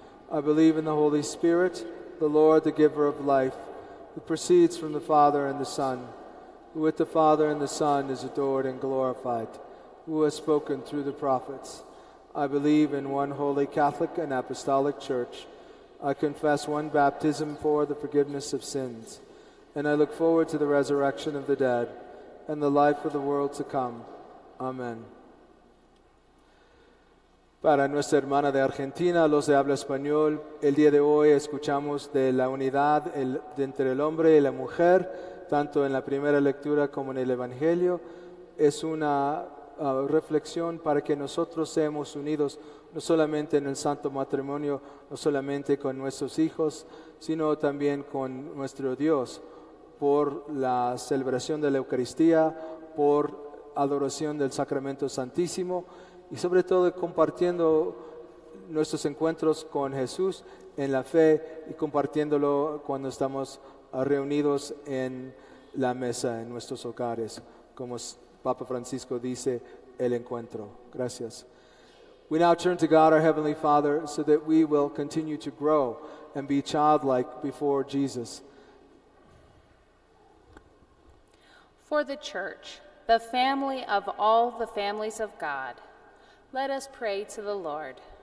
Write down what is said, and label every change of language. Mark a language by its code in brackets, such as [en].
[en] I believe in the Holy Spirit, the Lord, the giver of life, who proceeds from the Father and the Son, who with the Father and the Son is adored and glorified, who has spoken through the prophets. I believe in one holy Catholic and apostolic church. I confess one baptism for the forgiveness of sins, and I look forward to the resurrection of the dead and the life of the world to come. Amen. [es] Para nuestra hermana de Argentina, los de habla español, el día de hoy escuchamos de la unidad entre el hombre y la mujer, tanto en la primera lectura como en el Evangelio. Es una reflexión para que nosotros seamos unidos, no solamente en el santo matrimonio, no solamente con nuestros hijos, sino también con nuestro Dios, por la celebración de la Eucaristía, por adoración del Sacramento Santísimo, y sobre todo compartiendo nuestros encuentros con Jesús en la fe y compartiéndolo cuando estamos reunidos en la mesa, en nuestros hogares, como Papa Francisco dice, el encuentro. Gracias. [en] We now turn to God, our Heavenly Father, so that we will continue to grow and be childlike before Jesus. For the Church, the family of all the families of God, let us pray to the Lord.